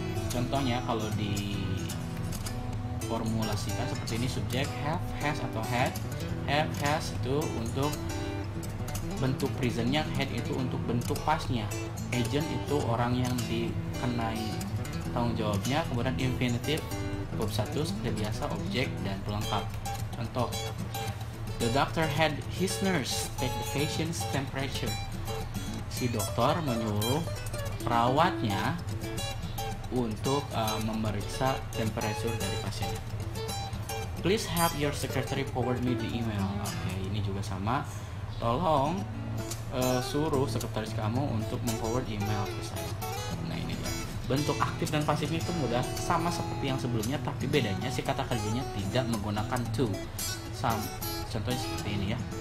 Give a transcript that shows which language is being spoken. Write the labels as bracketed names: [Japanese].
[Indonesian] Contohnya kalau diformulasikan seperti ini, subjek have, has atau had. Have, has itu untuk bentuk presentnya, had itu untuk bentuk pasnya. Agent itu orang yang dikenai tanggung jawabnya. Kemudian infinitive, verb satu seperti biasa, objek dan pelengkap. [English] Contoh, the doctor had his nurse take the patient's temperature. [Indonesian] Si dokter menyuruh perawatnya untuk memeriksa temperatur dari pasien. [English] Please have your secretary forward me the email. [Indonesian] Oke, ini juga sama. Tolong suruh sekretaris kamu untuk memforward email ke saya. Nah, ini dia. Bentuk aktif dan pasif itu mudah sama seperti yang sebelumnya, tapi bedanya si kata kerjanya tidak menggunakan to. Contohnya seperti ini ya.